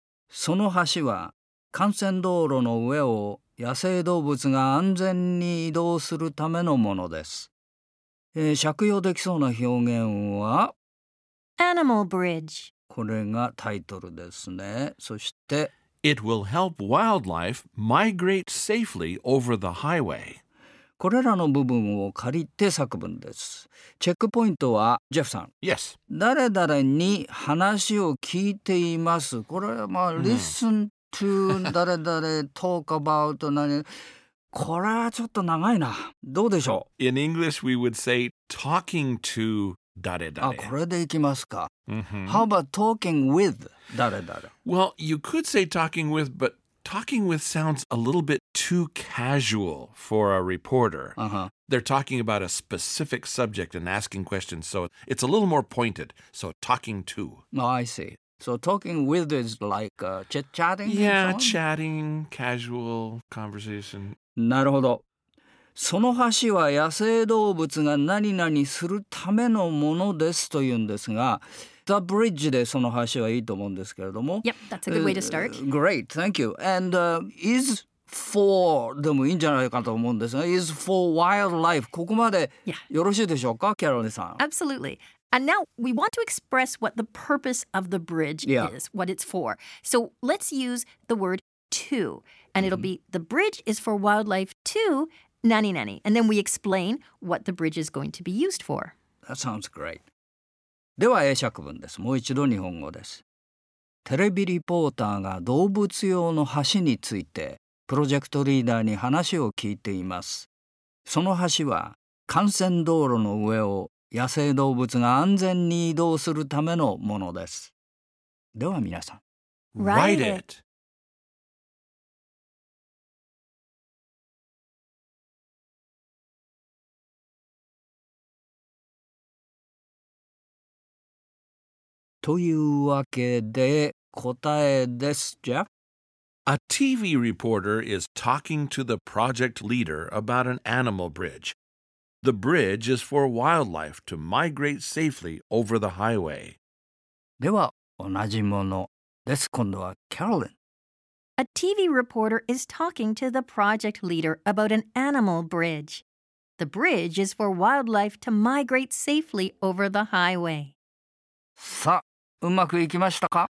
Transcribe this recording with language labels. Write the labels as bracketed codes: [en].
[ja] その橋は幹線道路の上を野生動物が安全に移動するためのものです。借用できそうな表現は [en] Animal Bridge。 [ja] これがタイトルですね。そして [en] It will help wildlife migrate safely over the highway. [ja] これらの部分を借りて作文です。チェックポイントは、ジェフさん。 [en] Yes. [ja] 誰々に話を聞いています。これはまあ、 [en] listen to [ja] 誰々、 [en] talk about [ja] 何。これはちょっと長いな。どうでしょう? In English, we would say talking to 誰々。あ、これでいきますか。 [en] How about talking with 誰々? Well, you could say talking with, but... Talking with sounds a little bit too casual for a reporter. Uh-huh. They're talking about a specific subject and asking questions, so it's a little more pointed. So talking to. Oh, I see. So talking with is like chit-chatting? Yeah, chatting, casual conversation. [ja] なるほど。その橋は野生動物が何々するためのものですというんですが、 [en] The bridge [ja] でその橋はいいと思うんですけれども。 [en] Yep, that's a good way to start. Great, thank you. And is for [ja] でもいいんじゃないかと思うんですが、 [en] is for wildlife. [ja] ここまでよろしいでしょうか、キャロリさん。 [en] Absolutely. And now we want to express what the purpose of the bridge is, what it's for. So let's use the word to, and it'll be the bridge is for wildlife to nanny nanny. And then we explain what the bridge is going to be used for. That sounds great. [ja] では英釈文です。もう一度日本語です。テレビリポーターが動物用の橋についてプロジェクトリーダーに話を聞いています。その橋は幹線道路の上を野生動物が安全に移動するためのものです。では皆さん、 [en] Ride it! [ja] というわけで、答えです、Jeff。 [en] A TV reporter is talking to the project leader about an animal bridge. The bridge is for wildlife to migrate safely over the highway. [ja] では、同じものです。今度は、Carolyn. [en] A TV reporter is talking to the project leader about an animal bridge. The bridge is for wildlife to migrate safely over the highway. [ja] さあ、うまくいきましたか?